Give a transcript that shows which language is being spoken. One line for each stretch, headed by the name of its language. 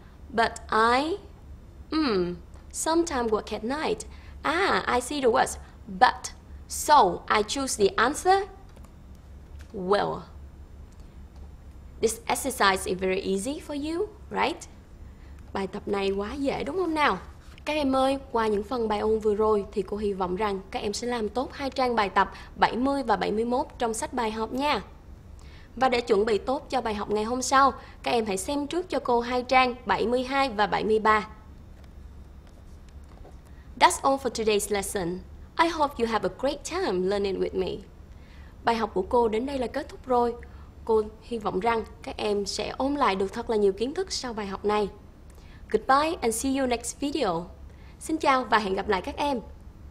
English: But I sometimes work at night. I see the words but. So I choose the answer Well, this exercise is very easy for you, right?
Vietnamese: Bài tập này quá dễ đúng không nào? Các em ơi, qua những phần bài ôn vừa rồi thì cô hy vọng rằng các em sẽ làm tốt hai trang bài tập 70 và 71 trong sách bài học nha. Và để chuẩn bị tốt cho bài học ngày hôm sau, các em hãy xem trước cho cô hai trang 72 và 73.
English: That's all for today's lesson. I hope you have a great time learning with me.
Vietnamese: Bài học của cô đến đây là kết thúc rồi. Cô hy vọng rằng các em sẽ ôn lại được thật là nhiều kiến thức sau bài học này.
English: Goodbye and see you next video.
Vietnamese: Xin chào và hẹn gặp lại các em.